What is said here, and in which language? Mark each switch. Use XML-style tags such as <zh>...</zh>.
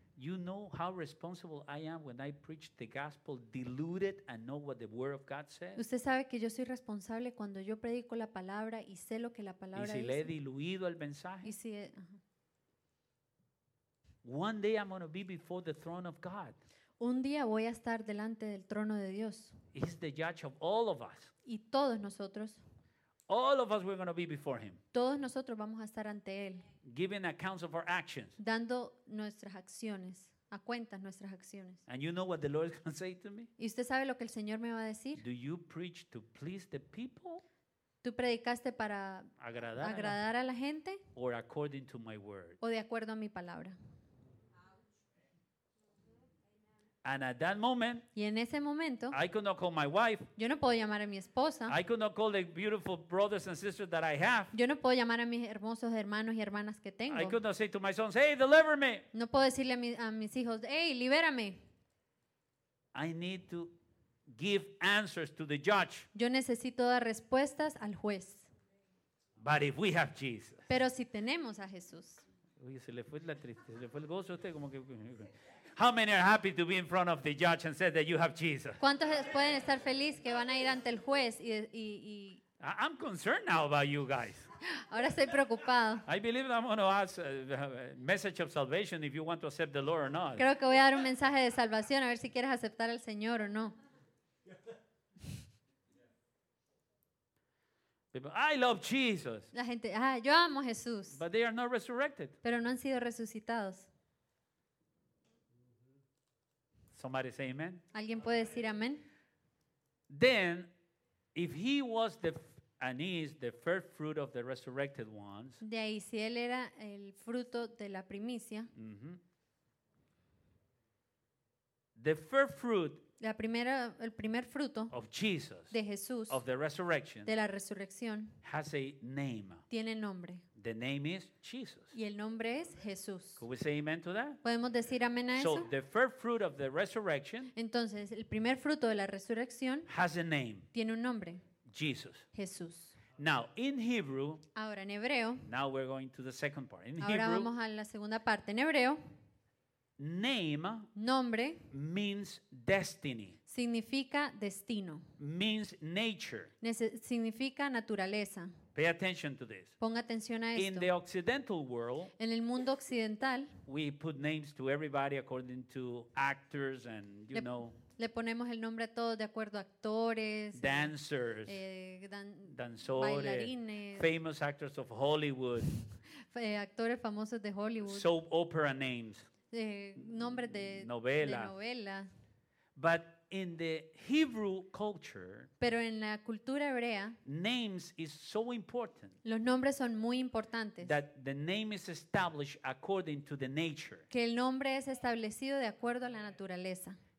<en>You know how responsible I am when I preach the gospel diluted and know what the word of God says.</en> <es>Usted sabe que yo soy responsable cuando yo predico la palabra y sé lo que la palabra dice. Y si le he diluido el mensaje. Y si.</es> <en>One day I'm going to be before the throne of God.</en> <es>Un día voy a estar delante del trono de Dios.</es> <en>He's the judge of all of us.</en> <es>Y todos nosotros.</es> <en>All of us we're going to be before him.</en> <es>Todos nosotros vamos a estar ante él.</es> <en>Giving accounts of our actions.</en> <es>Dando nuestras acciones, a cuentas nuestras acciones.</es> <en>And you know what the Lord is going to say to me?</en> <es>¿Y usted sabe lo que el Señor me va a decir?</es> <en>Do you preach to please the people?</en> <es>¿Tú predicaste para agradar a la gente?</es> <en>Or according to my word?</en> <es>¿O de acuerdo a mi palabra?</es> <en>And at that moment,</en> <es>y en ese momento,</es> <en>I could not call my wife.</en> <es>Yo no puedo llamar a mi esposa.</es> <en>I could not call the beautiful brothers and sisters that I have.</en> <es>Yo no puedo llamar a mis hermosos hermanos y hermanas que tengo.</es> <en>I could not say to my sons, "Hey, deliver me."</en> <es>No puedo decirle a mis hijos, "Hey, libérame."</es> <en>I need to give answers to the judge.</en> <es>Yo necesito dar respuestas al juez.</es> <en>But if we have Jesus.</en> <es>Pero si tenemos a Jesús. Uy, se le fue la tristeza, se le fue el gozo a usted como que.</es> <en>How many are happy to be in front of the judge and say that you have Jesus?</en> <es>¿Cuántos pueden estar feliz que van a ir ante el juez y</es> <en>I'm concerned now about you guys.</en> <es>Ahora estoy preocupado.</es> <en>I believe I'm going to ask a message of salvation if you want to accept the Lord or not.</en> <es>Creo que voy a dar un mensaje de salvación a ver si quieres aceptar al Señor o no.</es> <en>People, I love Jesus.</en> <es>La gente, yo amo a Jesús.</es> <en>But they are not resurrected.</en> <es>Pero no han sido resucitados.</es> <en>Somebody say amen.</en> <es>¿Alguien puede decir amén?</es> <en>Then, if he was the and is the first fruit of the resurrected ones.</en> <es>De ahí si él era el fruto de la primicia. Mm-hmm.</es> <en>The first fruit.</en> <es>El primer fruto.</es> <en>Of Jesus.</en> <es>De Jesús.</es> <en>Of the resurrection.</en> <es>De la resurrección.</es> <en>Has a name.</en> <es>Tiene nombre.</es> <en>The name is Jesus.</en> <es>Y el nombre es Jesús.</es> <en>Could we say amen to that?</en> <es>¿Podemos decir amén a</es> <en>so</en> <es>eso?</es> <en>So the first fruit of the resurrection.</en> <es>Entonces, el primer fruto de la resurrección.</es> <en>Has a name.</en> <es>Tiene un nombre.</es> <en>Jesus.</en> <es>Jesús.</es> <en>Now in Hebrew.</en> <es>Ahora en hebreo.</es> <en>Now we're going to the second part. In</en> <es>ahora</es> <en>Hebrew.</en> <es>Ahora vamos a la segunda parte en hebreo.</es> <en>Name.</en> <es>Nombre.</es> <en>Means destiny.</en> <es>Significa destino.</es> <en>Means nature.</en> <es>Significa naturaleza.</es> <en>Pay attention to this.</en> <es>Ponga atención a esto.</es> <en>In the occidental world,</en> <es>en el mundo occidental,</es> <en>we put names to everybody according to actors and you know.</en> <es>Le ponemos el nombre a todos de acuerdo a actores,</es> <en>dancers,</en> <es>danzores, bailarines,</es> <en>famous actors of Hollywood,</en> <es>actores famosos de Hollywood,</es> <en>soap opera names,</en> <es>nombres de</es> <en>novela. But in the Hebrew culture,</en> <es>pero en la cultura hebrea,</es> <en>names is so important.</en> <es>Los nombres son muy importantes.</es> <en>That the name is established according to the nature.</en> <es>Que el nombre es establecido de acuerdo a la naturaleza.</es>